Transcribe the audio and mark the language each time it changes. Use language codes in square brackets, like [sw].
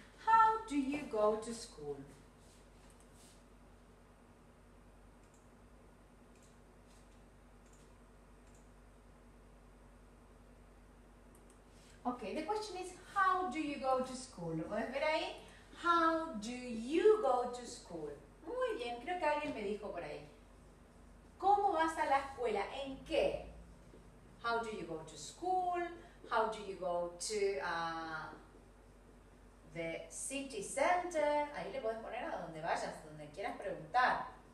[en] How do you go to school? Okay, the question is, how do you go to school? [es] ¿Puedes ver ahí? [en] How do you go to school? [es] Muy bien, creo que alguien me dijo por ahí. ¿Cómo vas a la escuela? ¿En qué? [en] How do you go to school? How do you go to the city center? [es] Ahí le puedes poner a donde vayas, donde quieras preguntar.